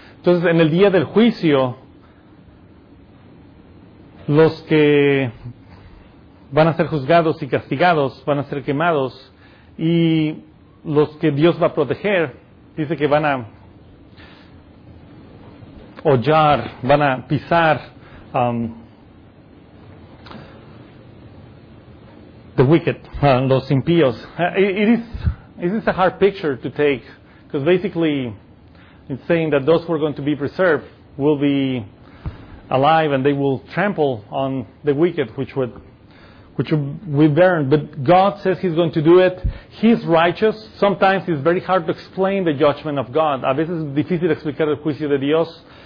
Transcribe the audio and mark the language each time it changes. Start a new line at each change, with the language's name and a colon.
Spanish: Entonces, en el día del juicio, los que van a ser juzgados y castigados van a ser quemados, y los que Dios va a proteger, dice que van a hollar, van a pisar
English: the wicked,
Spanish: los impíos.
English: This is a hard picture to take, because basically it's saying that those who are going to be preserved will be alive, and they will trample on the wicked, which would which we burn. But God says He's going to do it. He's righteous. Sometimes it's very hard to explain the judgment of God.
Spanish: A veces es difícil explicar el juicio de Dios.